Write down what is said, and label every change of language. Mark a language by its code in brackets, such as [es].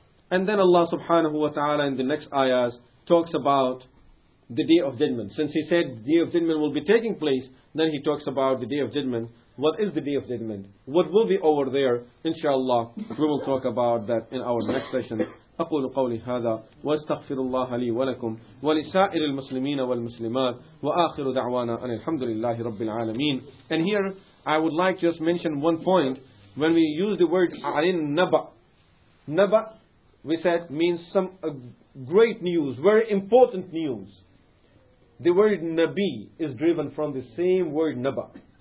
[en] And then Allah subhanahu wa ta'ala in the next ayahs talks about the day of judgment. Since He said the day of judgment will be taking place, then He talks about the day of judgment. What is the day of judgment? What will be over there? Inshallah, we will talk about that in our next session. [ar] أقول قولي هذا واستغفر الله لي ولكم ولسائر المسلمين والمسلمات وآخر دعوانا أن الحمد لله رب العالمين. [en] And here I would like to just mention one point. When we use the word [ar] عَلِن نَبَأ, [en] نَبَأ, we said, means some great news, very important news. The word نَبِي is driven from the same word نَبَأ.